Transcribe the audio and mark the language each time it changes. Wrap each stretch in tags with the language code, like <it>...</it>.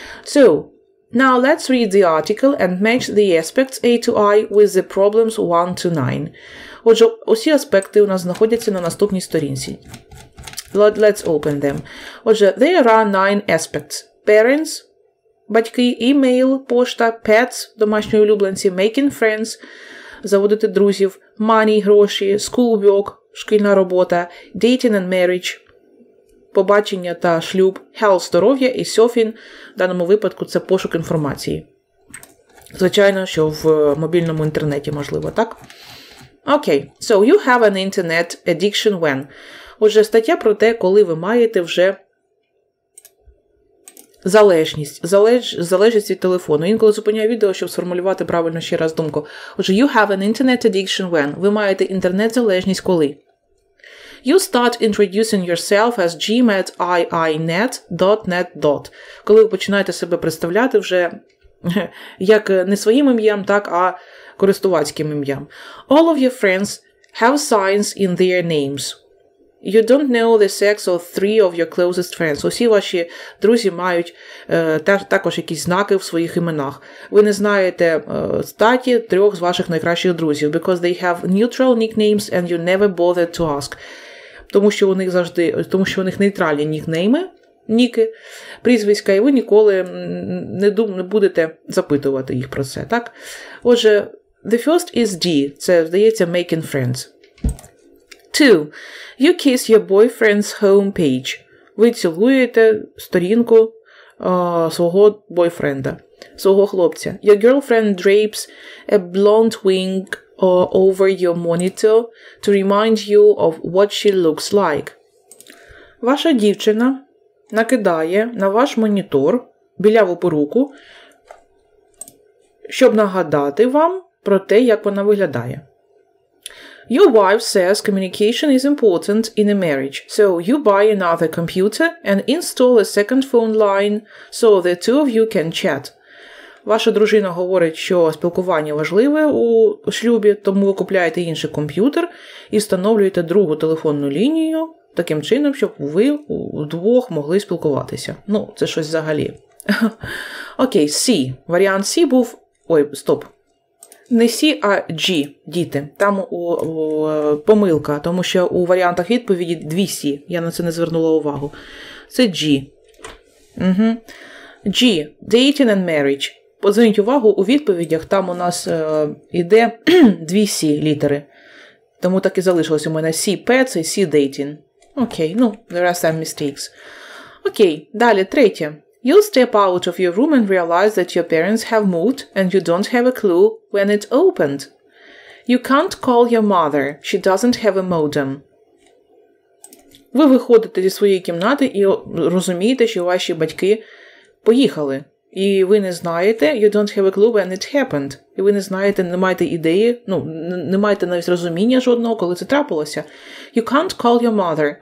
<en>So, now let's read the article and match the aspects A to I with the problems 1 to 9.</en> <uk>Отже, усі аспекти у нас знаходяться на наступній сторінці.</uk> <en>Let's open them. Отже, there are 9 aspects.</en> <uk>Parents, батьки, email, пошта, pets, домашні улюбленці, making friends, заводити друзів, money, гроші, schoolwork, шкільна робота, dating and marriage, побачення та шлюб, health, здоров'я і surfing, в даному випадку це пошук інформації. Звичайно, що в мобільному інтернеті можливо, так?</uk> <en>Окей, okay. So you have an internet addiction when?</en> <uk>Отже, стаття про те, коли ви маєте вже залежність, залежність від телефону. Інколи зупиняю відео, щоб сформулювати правильно ще раз думку.</uk> <en>Отже, you have an internet addiction when?</en> <uk>Ви маєте інтернет-залежність коли?</uk> <en>You start introducing yourself as gmatiinet.net.</en> <uk>Коли ви починаєте себе представляти вже як не своїм ім'ям, так, а користувацьким ім'ям.</uk> <en>All of your friends have signs in their names. You don't know the sex of three of your closest friends.</en> <uk>Усі ваші друзі мають також якісь знаки в своїх іменах. Ви не знаєте статі трьох з ваших найкращих друзів,</uk> <en>because they have neutral nicknames and you never bothered to ask.</en> <uk>Тому що у них завжди, тому що у них нейтральні нікнейми, ніки, прізвиська, і ви ніколи не будете запитувати їх про це, так?</uk> <en>Отже, the first is D, це, здається, making friends. Two, you kiss your boyfriend's homepage.</en> <uk>Ви цілуєте сторінку свого бойфренда, свого хлопця.</uk> <en>Your girlfriend drapes a blonde wing or over your monitor to remind you of what she looks like.</en> <uk>Ваша дівчина накидає на ваш монітор біляву поруку, щоб нагадати вам про те, як вона виглядає.</uk> <en>Your wife says communication is important in a marriage, so you buy another computer and install a second phone line so the two of you can chat.</en> <uk>Ваша дружина говорить, що спілкування важливе у шлюбі, тому ви купляєте інший комп'ютер і встановлюєте другу телефонну лінію таким чином, щоб ви вдвох могли спілкуватися. Ну, це щось взагалі. Окей, okay, C. Варіант C був... Ой, стоп. Не C, а G, діти. Там помилка, тому що у варіантах відповіді дві C. Я на це не звернула увагу. Це G.</uk> <en>G. Dating and marriage.</en> <uk>Зверніть увагу, у відповідях там у нас іде дві сі літери. Тому так і залишилось у мене сі pets і сі dating. Окей, ну,</uk> <en>there are some mistakes.</en> <uk>Окей, далі, третє.</uk> <en>You step out of your room and realize that your parents have moved and you don't have a clue when it opened. You can't call your mother, she doesn't have a modem.</en> <uk>Ви виходите зі своєї кімнати і розумієте, що ваші батьки поїхали. І ви не знаєте,</uk> <en>you don't have a clue when it happened.</en> <uk>І ви не знаєте, не маєте ідеї, ну, не маєте навіть розуміння жодного, коли це трапилося.</uk> <en>You can't call your mother.</en>